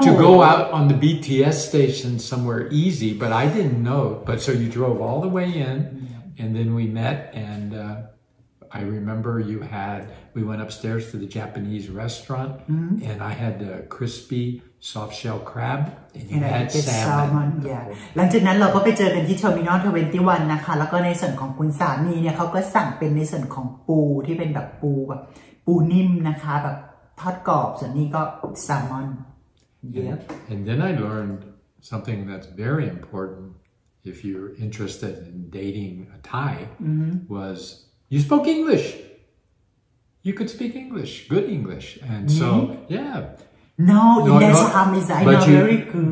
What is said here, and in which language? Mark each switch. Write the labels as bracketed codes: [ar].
[en] to go out on the BTS station somewhere easy, but I didn't know. But so you drove all the way in. Yeah. And then we met, and I remember we went upstairs to the Japanese restaurant, mm-hmm. and I had the crispy soft-shell crab, and you and had salmon. Yeah. [th] หลังจากนั้นเราก็ไปเจอกันที่ Terminal 21นะคะแล้วก็ในส่วนของคุณสามีเนี่ยเขาก็สั่งเป็นในส่วนของปูที่เป็นแบบปูแบบปูนิ่มนะคะแบบทอดกรอบส่วนนี้ก็แซลมอน [en] Yep. And then I learned something that's very important. If you're interested in dating a Thai, mm-hmm. was you spoke English. You could speak English, good English. And Me? So, yeah. No, that's how I know very good.